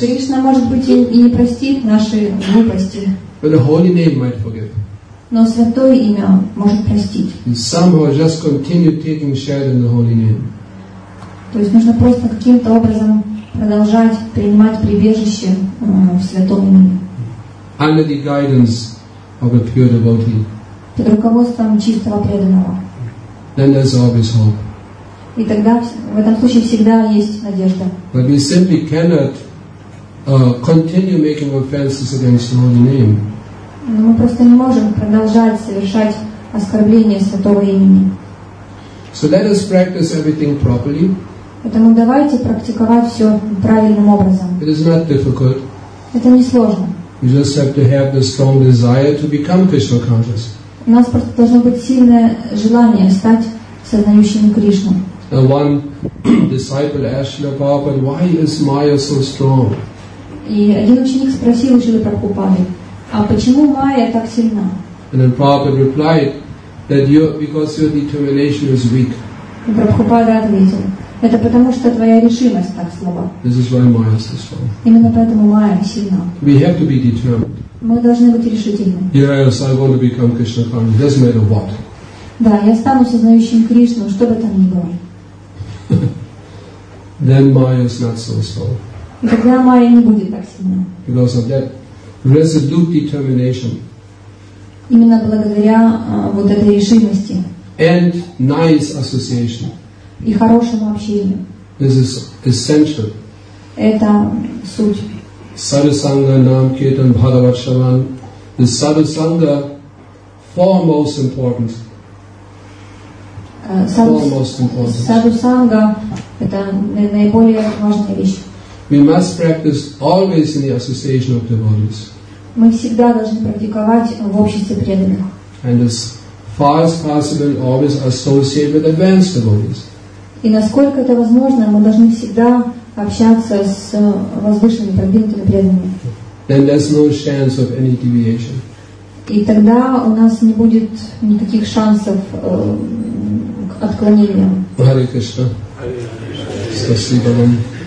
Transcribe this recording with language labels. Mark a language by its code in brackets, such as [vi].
[ru] Кришна может быть и не простит наши глупости. [en] But the holy name might forgive. [ru] Но святое имя может простить. [en] Somehow just continue taking shelter in the holy name. [ru] То есть нужно просто каким-то образом продолжать принимать прибежище в святом имени. [en] Under the guidance of a pure devotee. [ru] Под руководством чистого преданного. [en] Then there's always hope. [ru] И тогда в этом случае всегда есть надежда. [en] But we simply cannot continue making offenses against the holy name. [ru] Но мы просто не можем продолжать совершать оскорбления святого имени. [en] So let us practice everything properly. [ru] Поэтому давайте практиковать все правильным образом. [en] It is not difficult. [ru] Это не сложно. [en] You just have to have the strong desire to become Krishna conscious. [ru] У нас просто должно быть сильное желание стать сознающим Кришну. [en] One disciple asked Śrīla Prabhupāda, why is Maya so strong? [ru] И один ученик спросил у Śrīla Prabhupāda, а почему майя так сильна? [en] And then Prabhupada replied that because your determination is weak. [ru] Прабхупада ответил, это потому что твоя решимость так слаба. [en] This is why майя is so strong. [ru] Именно поэтому майя сильна. [en] We have to be determined. [ru] Мы должны быть решительны. [en] Yes, I want to become Krishna conscious. It doesn't matter what. [ru] Да, я стану сознающим Кришну, что бы там ни было. [en] Then майя is not so strong. [ru] И тогда майя не будет так сильна. [en] Because of that. Resolute determination. [ru] Именно благодаря вот этой решимости. [en] And nice association. [ru] И хорошему общению. [en] This is essential. [ru] Это суть. [sa] Sadhusanga nam kirtan bhagavat shravan. [en] The sadhusanga foremost importance. [ru] Sadhusanga это наиболее важная вещь. [en] We must practice always in the association of devotees. [ru] Мы всегда должны практиковать в обществе преданных. [en] And as far as possible, always associate with advanced devotees. [ru] И насколько это возможно, мы должны всегда общаться с возвышенными, продвинутыми преданными. [en] Then there's no chance of any deviation. [ru] И тогда у нас не будет никаких шансов к отклонениям. Hare Krishna. Спасибо вам.